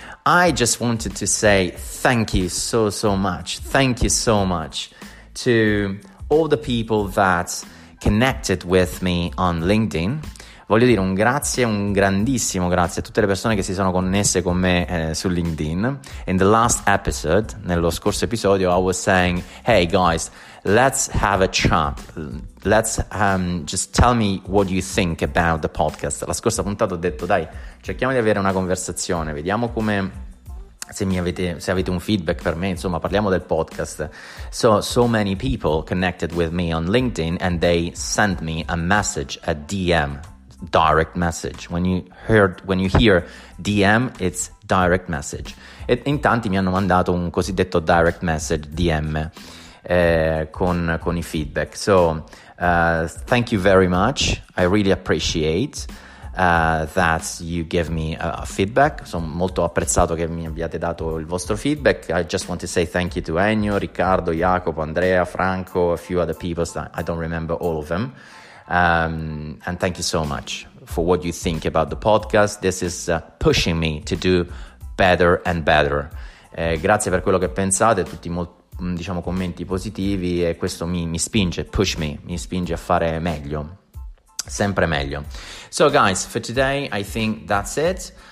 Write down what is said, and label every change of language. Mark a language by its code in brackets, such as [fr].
[en] I just wanted to say thank you so, so much. Thank you so much to all the people that connected with me on LinkedIn. [it] Voglio dire un grazie, un grandissimo grazie a tutte le persone che si sono connesse con me su LinkedIn. [en] In the last episode, [it] nello scorso episodio, [en] I was saying, hey guys, let's have a chat. Let's just tell me what you think about the podcast. [it] La scorsa puntata ho detto, dai, cerchiamo di avere una conversazione. Vediamo come, se avete un feedback per me, insomma, parliamo del podcast. [en] So many people connected with me on LinkedIn and they sent me a message, a DM. Direct message. When you hear DM, it's direct message. [it] E in tanti mi hanno mandato un cosiddetto direct message, DM, con i feedback. [en] So, thank you very much. I really appreciate that you give me a feedback. [it] Sono molto apprezzato che mi abbiate dato il vostro feedback. [en] I just want to say thank you to Ennio, Riccardo, Jacopo, Andrea, Franco, a few other people. I don't remember all of them. And thank you so much for what you think about the podcast. This is pushing me to do better and better. [it] Grazie per quello che pensate, tutti diciamo commenti positivi, e questo mi spinge, [en] push me, [it] mi spinge a fare meglio, sempre meglio. [en] So guys, for today I think that's it.